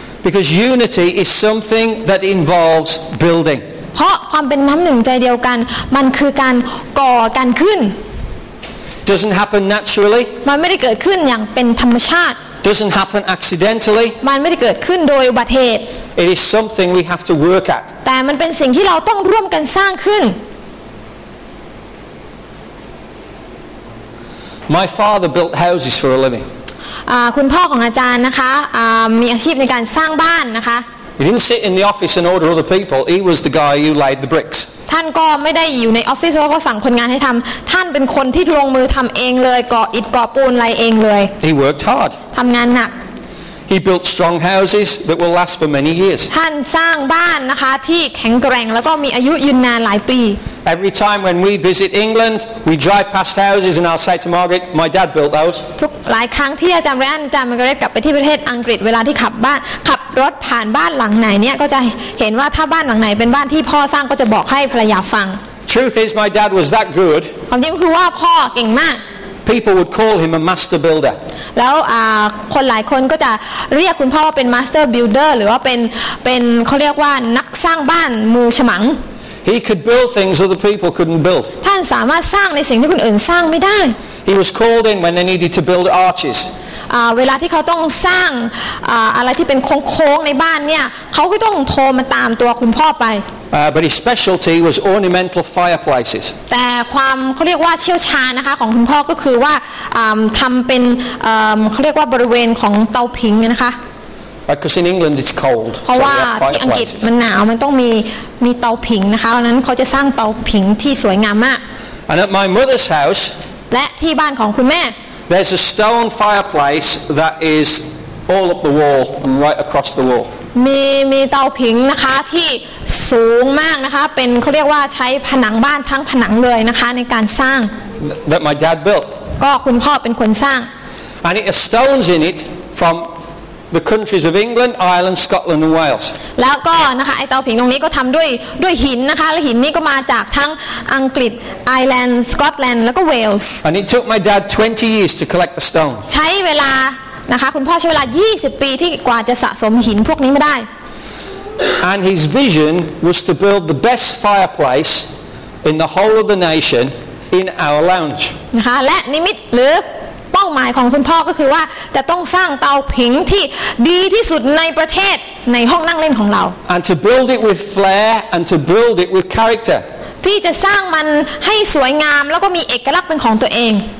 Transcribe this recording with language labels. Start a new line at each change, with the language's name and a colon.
English: because unity is something that involves building
Thai: เพราะความเป็นน้ำหนึ่งใจเดียวกันมันคือการก่อกันขึ้น
English: Doesn't happen naturally.
Thai: มันไม่ได้เกิดขึ้นอย่างเป็นธรรมชาติ
English: Doesn't happen accidentally.
Thai: มันไม่ได้เกิดขึ้นโดยอุบัติเหตุ
English: It is something we have to work at.
Thai: แต่มันเป็นสิ่งที่เราต้องร่วมกันสร้างขึ้น
English: My father built houses for a living.
Thai: คุณพ่อของอาจารย์นะคะมีอาชีพในการสร้างบ้านนะคะ
English: He didn't sit in the office and order other people. He was the guy who laid the bricks.
Thai: ท่านก็ไม่ได้อยู่ในออฟฟิศแล้วก็สั่งคนงานให้ทำท่านเป็นคนที่ลงมือทำเองเลยก่ออิฐก่อปูนอะไรเองเลย
English: He worked hard
Thai: ทำงานหนัก
English: He built strong houses that will last for many years
Thai: ท่านสร้างบ้านนะคะที่แข็งแกร่งแล้วก็มีอายุยืนนานหลายปี
English: Every time when we visit England we drive past houses and I'll say to Margaret my dad built those
Thai: ทุกหลายครั้งที่อาจารย์แรนอาจารย์มาร์กาเร็ตกลับไปที่ประเทศอังกฤษเวลาที่ขับบ้านขับรถผ่านบ้านหลังไหนเนี่ยก็จะเห็นว่าถ้าบ้านหลังไหนเป็นบ้านที่พ่อสร้างก็จะบอกให้ภรรยาฟัง
English: Truth is my dad was that good
Thai: ความจริงคือว่าพ่อเก่งมาก
English: People would call him a master builder
Thai: แล้วคนหลายคนก็จะเรียกคุณพ่อว่าเป็น master builder หรือว่าเป็นเขาเรียกว่านักสร้างบ้านมือฉมัง
English: He could build things other people couldn't build
Thai: ท่านสามารถสร้างในสิ่งที่คนอื่นสร้างไม่ได้
English: He was called in when they needed to build arches
Thai: เวลาที่เขาต้องสร้างอะไรที่เป็นโค้งๆในบ้านเนี่ยเขาก็ต้องโทรมาตามตัวคุณพ่อไป
English: But his specialty was ornamental fireplaces.
Thai: แต่ความเขาเรียกว่าเชี่ยวชาญนะคะของคุณพ่อก็คือว่าทำเป็นเขาเรียกว่าบริเวณของเตาผิงนะคะ
English: Because in England it's cold.
Thai: เพราะว่าที่อังกฤษมันหนาวมันต้องมีเตาผิงนะคะดังนั้นเขาจะสร้างเตาผิงที่สวยงามมาก
English: And at my mother's house.
Thai: และที่บ้านของคุณแม่
English: There's a stone fireplace that is all up the wall and right across the wall.
Thai: มีเตาผิงนะคะที่สูงมากนะคะเป็นเขาเรียกว่าใช้ผนังบ้านทั้งผนังเลยนะคะในการสร้าง
English: That my dad built
Thai: ก็คุณพ่อเป็นคนสร้าง
English: And it has stones in it from the countries of England, Ireland, Scotland and Wales
Thai: แล้วก็นะคะไอเตาผิงตรงนี้ก็ทำด้วยหินนะคะและหินนี้ก็มาจากทั้งอังกฤษไอร์แลนด์สกอตแลนด์แล้วก็เวลส์
English: And it took my dad 20 years to collect the stone
Thai: ใช้เวลานะคะคุณพ่อใช้เวลา20ปีที่กว่าจะสะสมหินพวกนี้มาได้
English: And his vision was to build the best fireplace in the whole of the nation in our lounge
Thai: นะคะและนิมิตหรือเป้าหมายของคุณพ่อก็คือว่าจะต้องสร้างเตาผิงที่ดีที่สุดในประเทศในห้องนั่งเล่นของเรา
English: And to build it with flair and to build it with character
Thai: ที่จะสร้างมันให้สวยงามแล้วก็มีเอกลักษณ์เป็นของตัวเอง